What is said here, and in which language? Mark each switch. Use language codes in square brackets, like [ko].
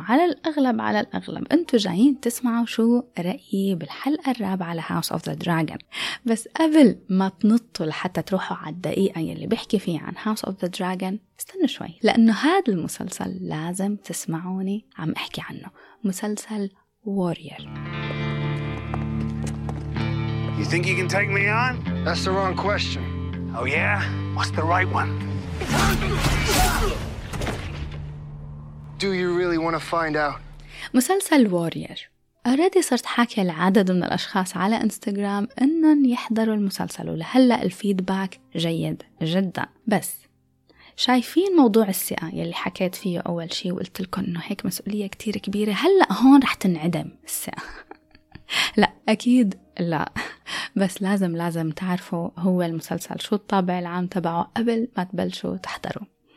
[ar] على الأغلب أنتوا جايين تسمعوا شو رأيي بالحلقة الرابعة على House of the Dragon. بس قبل ما تنطوا لحتى تروحوا على الدقيقة يلي بحكي فيه عن House of the Dragon، استنوا شوي لأنه هذا المسلسل لازم تسمعوني عم أحكي عنه، مسلسل Warrior. [en] You think you can take me on? That's the wrong question. Oh yeah? What's the right one? Do you really want to find out? [ar] مسلسل Warrior. أردي صرت حاكي العدد من الأشخاص على إنستغرام إنن يحضروا المسلسل، ولهلأ الفيدباك جيد جدا. بس شايفين موضوع الثقة يلي حكيت فيه أول شيء وقلت لكم إنه هيك مسؤولية كتير كبيرة، هلأ هون رح تنعدم الثقة؟ لا أكيد لا، بس لازم تعرفوا هو المسلسل شو الطابع العام تبعه قبل ما تبلشوا تحضروا.